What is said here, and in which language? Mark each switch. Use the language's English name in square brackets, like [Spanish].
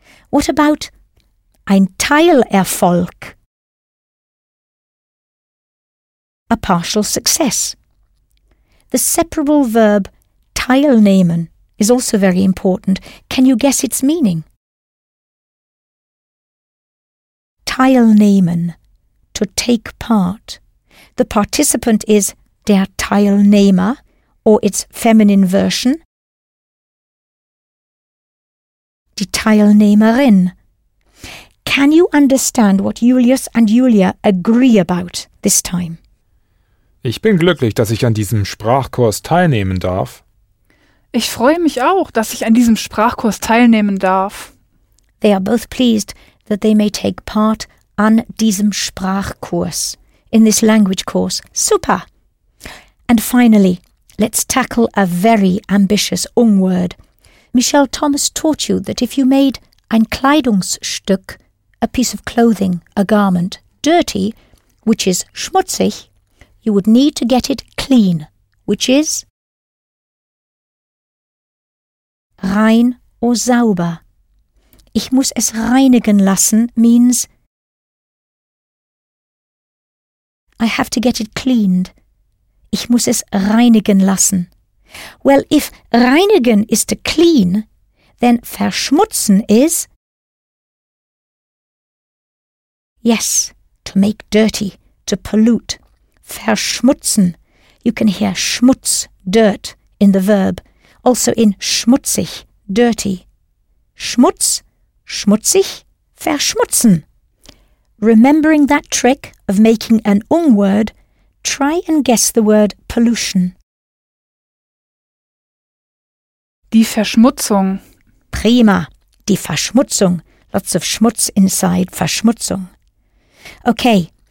[English] What about [German] ein Teilerfolg? [English] A partial success. The separable verb teilnehmen is also very important. Can you guess its meaning? Teilnehmen, to take part. The participant is der Teilnehmer, or its feminine version, die Teilnehmerin. Can you understand what Julius and Julia agree about this time? [German] Ich bin glücklich, dass ich an diesem Sprachkurs teilnehmen darf. Ich freue mich auch, dass ich an diesem Sprachkurs teilnehmen darf. [English] They are both pleased that they may take part [German] an diesem Sprachkurs, [English] in this language course. Super! And finally, let's tackle a very ambitious Ungword. Michelle Thomas taught you that if you made ein Kleidungsstück, a piece of clothing, a garment, dirty, which is schmutzig, you would need to get it clean, which is rein or sauber. [German] Ich muss es reinigen lassen [English] means I have to get it cleaned. [German] Ich muss es reinigen lassen. [English] Well, if reinigen is to clean, then verschmutzen is, yes, to make dirty, to pollute. [German] Verschmutzen. [English] You can hear schmutz, dirt, in the verb. Also in schmutzig, dirty. [German] Schmutz, schmutzig, verschmutzen. [English] Remembering that trick of making an Ungword, try and guess the word pollution. [German] Die Verschmutzung. Prima. Die Verschmutzung. [English] Lots of schmutz inside. [German] Verschmutzung. Okay.